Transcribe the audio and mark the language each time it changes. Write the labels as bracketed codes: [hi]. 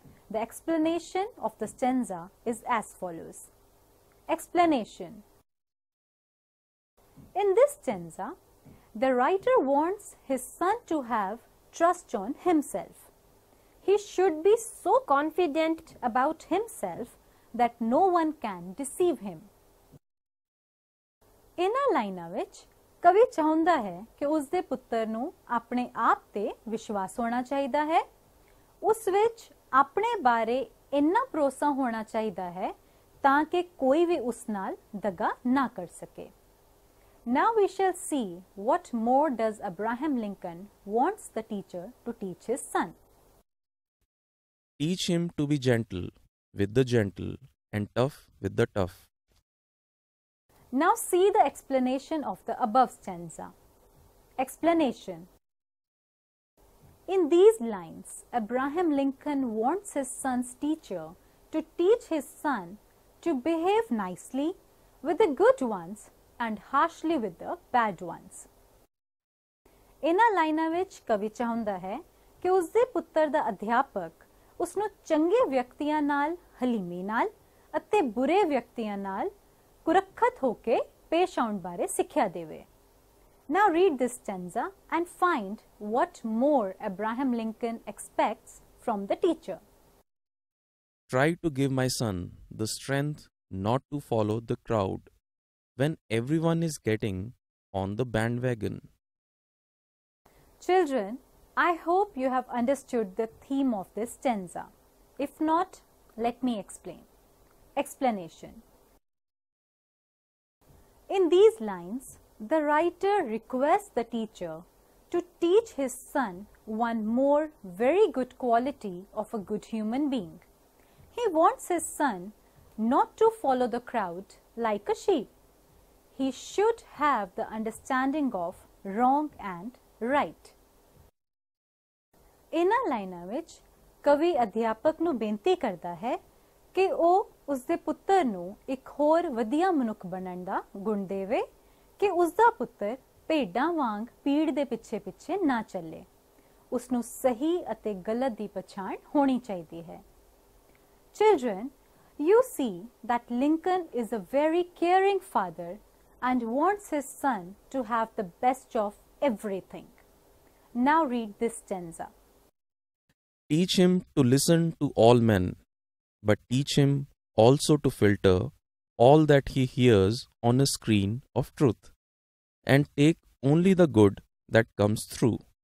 [en] The explanation of the stanza is as follows. Explanation. In this stanza, the writer wants his son to have trust on himself. He should be so confident about himself that no one can deceive him. [pa] ਇਹਨਾਂ ਲਾਈਨਾਂ ਵਿੱਚ ਕਵੀ ਚਾਹੁੰਦਾ ਹੈ ਕਿ ਉਸਦੇ ਪੁੱਤਰ ਨੂੰ ਆਪਣੇ ਆਪ 'ਤੇ ਵਿਸ਼ਵਾਸ ਹੋਣਾ ਚਾਹੀਦਾ ਹੈ, ਉਸ ਵਿੱਚ ਆਪਣੇ ਬਾਰੇ ਇੰਨਾ ਭਰੋਸਾ ਹੋਣਾ ਚਾਹੀਦਾ ਹੈ ਤਾਂ ਕਿ ਕੋਈ ਵੀ ਉਸ ਨਾਲ ਦਗਾ ਨਾ ਕਰ ਸਕੇ. [en] Now we shall see what more does Abraham Lincoln wants the teacher to teach his son. Teach him to be gentle with the gentle and tough with the tough. Now see the explanation of the above stanza. Explanation. In these lines, Abraham Lincoln wants his son's teacher to teach his son to behave nicely with the good ones and harshly with the bad ones. [pa] ਇਹਨਾਂ ਲਾਈਨਾਂ ਵਿੱਚ ਕਵੀ ਚਾਹੁੰਦਾ ਹੈ ਕਿ ਉਸਦੇ ਪੁੱਤਰ ਦਾ ਅਧਿਆਪਕ ਉਸਨੂੰ ਚੰਗੇ ਵਿਅਕਤੀਆਂ ਨਾਲ ਹਲੀਮੀ ਨਾਲ ਅਤੇ ਬੁਰੇ ਵਿਅਕਤੀਆਂ ਨਾਲ ਕੁਰੱਖਤ ਹੋ ਕੇ ਪੇਸ਼ ਆਉਣ ਬਾਰੇ ਸਿੱਖਿਆ ਦੇਵੇ. [en] Now read this stanza and find what more Abraham Lincoln expects from the teacher. Try to give my son the strength not to follow the crowd when everyone is getting on the bandwagon. Children, I hope you have understood the theme of this stanza. If not, let me explain. Explanation. In these lines, the writer requests the teacher to teach his son one more very good quality of a good human being. He wants his son not to follow the crowd like a sheep. He should have the understanding of wrong and right. In a line which [pa] kavi adhyapak nu binti karta hai ki oh ਉਸਦੇ ਪੁੱਤਰ ਨੂੰ ਇੱਕ ਹੋਰ ਵਧੀਆ ਮਨੁੱਖ ਬਣਨ ਦਾ ਗੁਣ ਦੇਵੇ ਕਿ ਉਸਦਾ ਪੁੱਤਰ ਭੇਡਾਂ ਵਾਂਗ ਪੀੜ ਦੇ ਪਿੱਛੇ ਪਿੱਛੇ ਨਾ ਚੱਲੇ. ਉਸਨੂੰ ਸਹੀ ਅਤੇ ਗਲਤ ਦੀ ਪਛਾਣ ਹੋਣੀ ਚਾਹੀਦੀ ਹੈ. [en] Children, you see that Lincoln is a very caring father and wants his son to have the best of everything. Now read this stanza. Teach him to listen to all men, but teach him also to filter all that he hears on a screen of truth and take only the good that comes through.